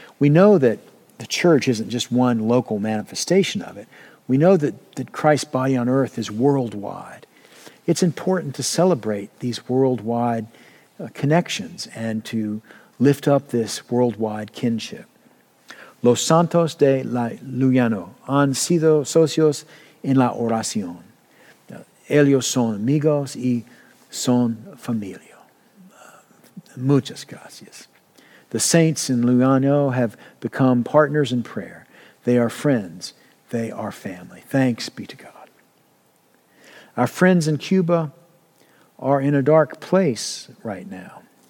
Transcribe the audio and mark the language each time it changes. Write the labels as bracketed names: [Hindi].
[English] We know that the church isn't just one local manifestation of it. We know that Christ's body on earth is worldwide. It's important to celebrate these worldwide connections and to lift up this worldwide kinship. [Spanish] Los Santos de la Luyano han sido socios en la oración. Ellos son amigos y son familia. Muchas gracias. [English] The saints in Luyano have become partners in prayer. They are friends. They are family. Thanks be to God. Our friends in Cuba are in a dark place right now.